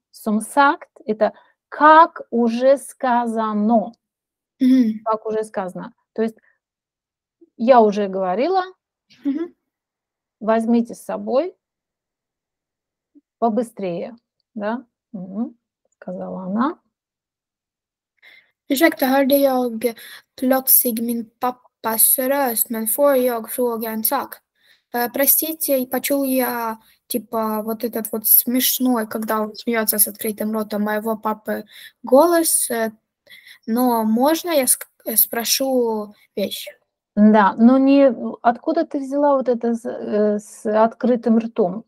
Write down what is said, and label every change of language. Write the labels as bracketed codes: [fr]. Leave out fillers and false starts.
[sv] Som sagt, [ru] это как уже сказано. Как уже сказано. То есть я уже говорила. Возьмите с собой побыстрее, да? Сказала она. [sv] Ursäkta, hörde jag plötsligt min pappas röst, men får jag fråga en sak? [ru] Простите, почул я, типа, вот этот вот смешной, когда он смеется с открытым ротом моего папы, голос, но можно я спрошу вещь? Да, но не откуда ты взяла вот это с открытым ртом?